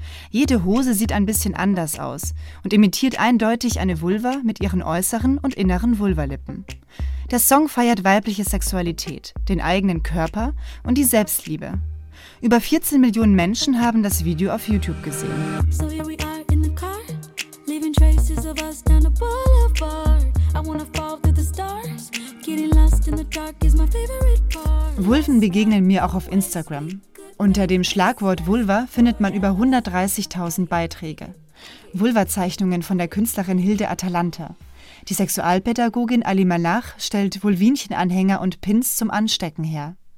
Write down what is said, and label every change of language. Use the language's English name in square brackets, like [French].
[German] Jede Hose sieht ein bisschen anders aus und imitiert eindeutig eine Vulva mit ihren äußeren und inneren Vulvalippen. Der Song feiert weibliche Sexualität, den eigenen Körper und die Selbstliebe. Über 14 Millionen Menschen haben das Video auf YouTube gesehen. [English] So here we are in the car, leaving traces of us down the boulevard. I wanna fall through the stars, getting lost in the dark is my favorite part. [German] Vulven begegnen mir auch auf Instagram. Unter dem Schlagwort Vulva findet man über 130.000 Beiträge. Vulva-Zeichnungen von der Künstlerin Hilde Atalanta. Die Sexualpädagogin Ali Malach stellt Vulvinchen-Anhänger und Pins zum Anstecken her.